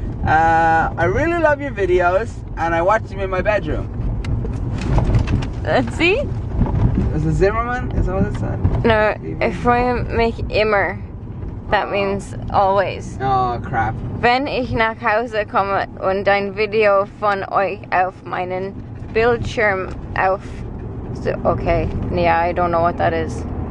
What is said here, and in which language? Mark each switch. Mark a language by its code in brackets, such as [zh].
[en] I really love your videos, and I watch them in my bedroom. Let's see. Is it Zimmerman? Is that what it said? No, if I make immer, that means always. Oh, crap. [de] Wenn ich nach Hause komme und dein Video von euch auf meinen Bildschirm auf... [en] So, okay, yeah, I don't know what that is.